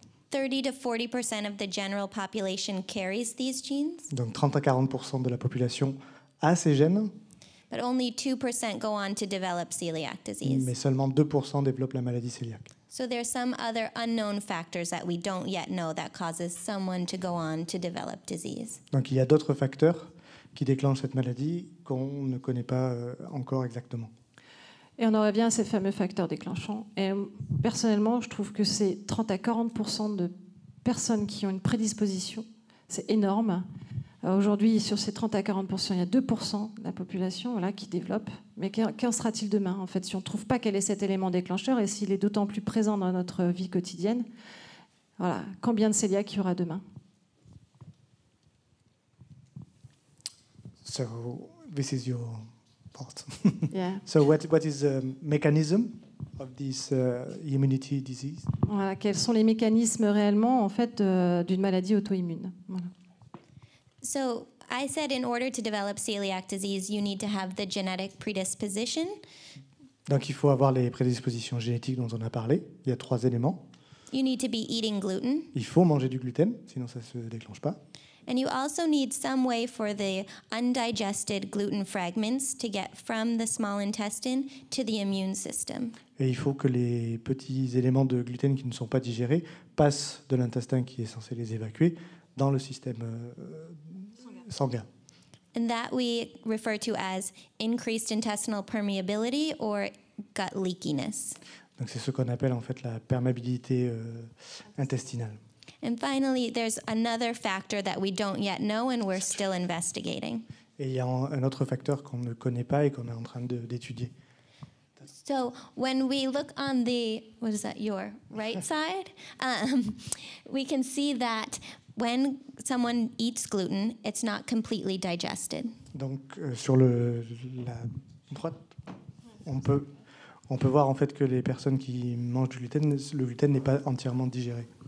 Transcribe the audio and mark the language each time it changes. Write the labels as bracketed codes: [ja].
[en] 30-40% of the general population carries these genes. [fr] Donc 30-40% de la population a ces gènes. [en] But only 2% go on to develop celiac disease. [fr] Mais seulement 2% développent la maladie cœliaque. [en] So there are some other unknown factors that we don't yet know that causes someone to go on to develop disease. [fr] Donc il y a d'autres facteurs qui déclenchent cette maladie qu'on ne connaît pas encore exactement. Et on aurait bien ces fameux facteurs déclenchants. Et personnellement, je trouve que c'est 30 à 40% de personnes qui ont une prédisposition. C'est énorme. Aujourd'hui, sur ces 30 à 40%, il y a 2% de la population voilà, qui développe. Mais qu'en sera-t-il demain, en fait, si on ne trouve pas quel est cet élément déclencheur et s'il est d'autant plus présent dans notre vie quotidienne? Voilà. Combien de cœliaques il y aura demain? [en] So, this is your part. Yeah. So, what is the mechanism of this immunity disease? [fr] Voilà. Quels sont les mécanismes réellement, en fait, d'une maladie auto-immune? Voilà. [en] So I said in order to develop celiac disease, you need to have the genetic predisposition. [fr] Donc il faut avoir les prédispositions génétiques dont on a parlé. Il y a trois éléments. [en] You need to be eating gluten. [fr] Il faut manger du gluten, sinon ça se déclenche pas. [en] And you also need some way for the undigested gluten fragments to get from the small intestine to the immune system. [fr] Et il faut que les petits éléments de gluten qui ne sont pas digérés passent de l'intestin qui est censé les évacuer dans le système sanguin. [en] And that we refer to as increased intestinal permeability or gut leakiness. [fr] Donc c'est ce qu'on appelle en fait la perméabilité intestinale. [en] And finally, there's another factor that we don't yet know and we're still investigating. [fr] Et il y a un autre facteur qu'on ne connaît pas et qu'on est en train d'étudier. [en] So when we look on the, what is that, your right side, we can see that when someone eats gluten, it's not completely digested. [fr] Donc sur la droite, on peut voir en fait que les personnes qui mangent du gluten, le gluten n'est pas entièrement digéré.